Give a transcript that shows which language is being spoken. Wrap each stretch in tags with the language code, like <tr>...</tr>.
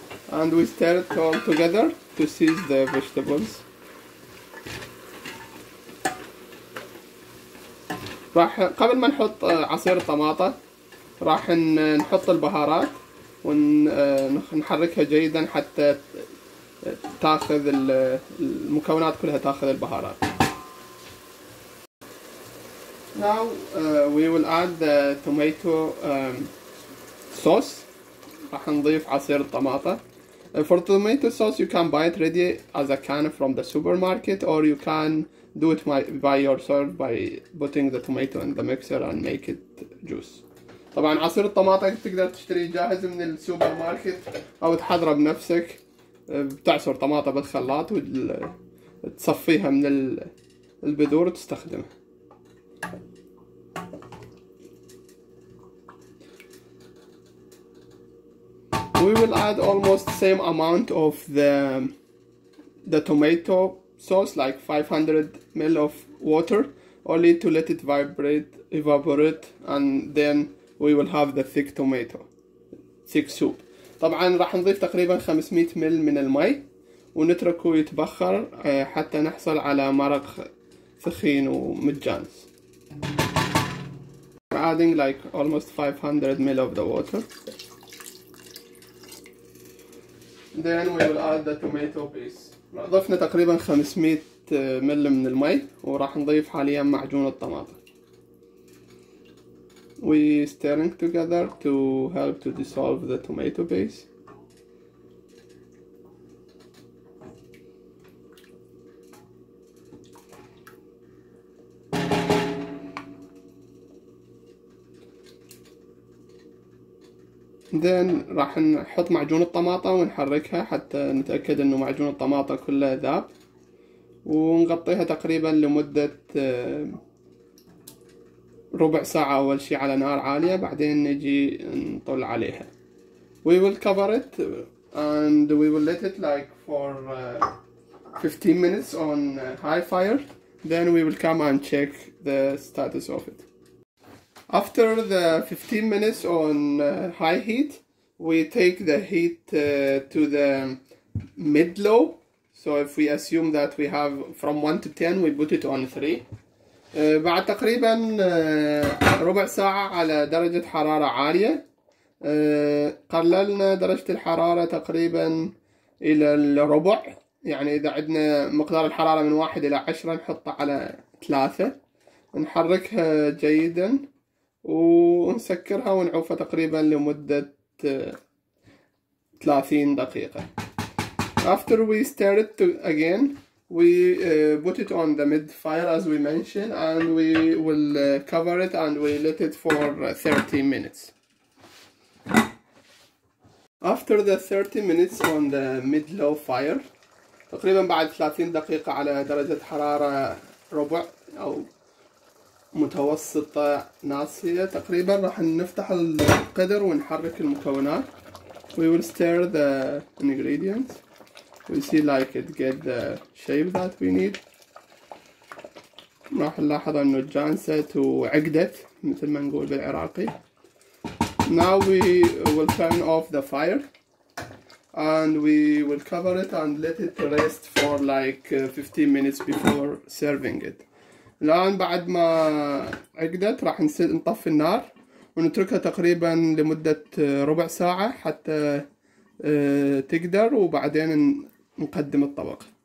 <en>And we stir it all together to season the vegetables.</en> <ar>راح قبل ما نحط عصير الطماطة راح نحط البهارات ونحركها جيدا حتى تاخذ المكونات كلها تاخذ البهارات.</ar> <en>Now we will add the tomato sauce.</en> <ar>راح نضيف عصير الطماطة.</ar> <en>For the tomato sauce, you can buy it ready as a can from the supermarket, or you can do it by yourself by putting the tomato in the mixer and make it juice.</en> <ar>طبعا عصير الطماطة تقدر تشتري جاهز من السوبر ماركت أو تحضره بنفسك. بتعصر طماطة بالخلاط وتصفيها من البذور وتستخدمها.</ar> <en>We will add almost same amount of the tomato sauce, like 500 ml of water, only to let it evaporate, and then we will have the thick tomato, thick soup.</en> <ar>طبعا راح نضيف تقريبا 500 ml من الماء ونتركه يتبخر حتى نحصل على مرق ثخين ومتجانس.</ar> <en>We're adding like almost 500 ml of the water. Then we will add the tomato paste.</en> <ar>ضفنا تقريبا 500 مل من المي وراح نضيف حاليا معجون الطماطم.</ar> <en>We stirring together to help to dissolve the tomato paste.</en> <ar>Then راح نحط معجون الطماطم ونحركها حتى نتأكد انه معجون الطماطم كله ذاب، ونغطيها تقريبا لمدة ربع ساعة اول شيء على نار عالية، بعدين نجي نطل عليها.</ar> <en>We will cover it and we will let it like for 15 minutes on high fire, then we will come and check the status of it. After the 15 minutes on high heat, we take the heat to the mid-low. So if we assume that we have from 1 to 10, we put it on 3.</en> <ar>بعد تقريبا ربع ساعة على درجة حرارة عالية، قللنا درجة الحرارة تقريبا إلى الربع. يعني إذا عندنا مقدار الحرارة من 1 إلى 10 نحطه على 3. نحركها جيدا ونسكرها ونعوفها تقريبا لمدة 30 دقيقة.</ar> <en>After we stir it again, we put it on the mid fire as we mentioned, and we will cover it and we let it for 30 minutes. After the 30 minutes on the mid low fire,</en> <ar>تقريبا بعد 30 دقيقة على درجة حرارة ربع أو متوسطة ناصية تقريبا، راح نفتح القدر ونحرك المكونات.</ar> <en>We will stir the ingredients. We see like it get the shape that we need.</en> <ar>راح نلاحظ انه جانست وعقدت مثل ما نقول بالعراقي.</ar> <en>Now we will turn off the fire and we will cover it and let it rest for like 15 minutes before serving it.</en> <ar>الآن بعد ما عقدت راح نطفي النار ونتركها تقريبا لمدة ربع ساعة حتى تقدر، وبعدين نقدم الطبق.</ar>